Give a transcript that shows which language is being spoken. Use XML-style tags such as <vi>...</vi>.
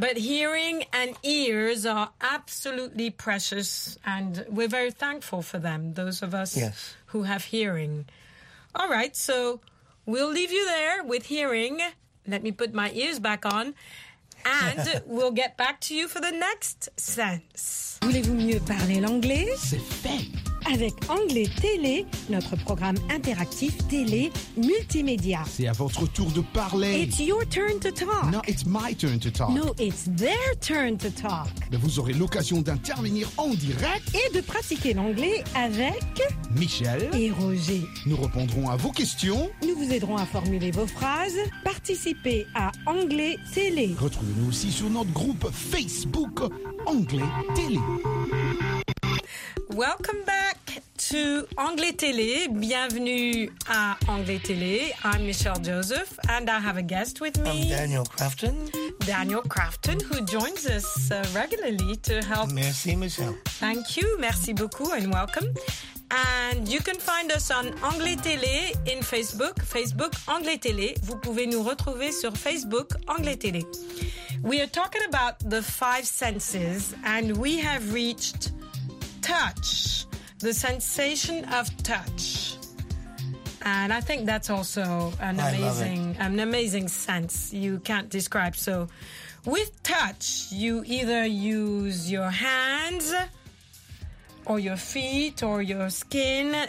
<en>But hearing and ears are absolutely precious, and we're very thankful for them, those of us yes. who have hearing. All right, so we'll leave you there with hearing. Let me put my ears back on. And we'll get back to you for the next sense.</en> <fr>Voulez-vous mieux parler l'anglais? C'est fait! Avec Anglais Télé, notre programme interactif télé multimédia. C'est à votre tour de parler.</fr> <en>It's your turn to talk. No, it's my turn to talk. No, it's their turn to talk.</en> <fr>Mais vous aurez l'occasion d'intervenir en direct et de pratiquer l'anglais avec Michel et Roger. Nous répondrons à vos questions. Nous vous aiderons à formuler vos phrases. Participez à Anglais Télé. Retrouvez-nous aussi sur notre groupe Facebook Anglais Télé.</fr> <en>Welcome back to Anglais Télé.</en> <fr>Bienvenue à Anglais Télé.</fr> <en>I'm Michel Joseph, and I have a guest with me. I'm Daniel Crafton. Daniel Crafton, who joins us regularly to help.</en> <fr>Merci, Michel.</fr> <en>Thank you.</en> <fr>Merci beaucoup,</fr> <en>and welcome. And you can find us on Anglais Télé in Facebook, Facebook Anglais Télé.</en> <fr>Vous pouvez nous retrouver sur Facebook Anglais Télé.</fr> <en>We are talking about the five senses, and we have reached touch, the sensation of touch. And I think that's also an amazing sense you can't describe. So with touch, you either use your hands or your feet or your skin.</en>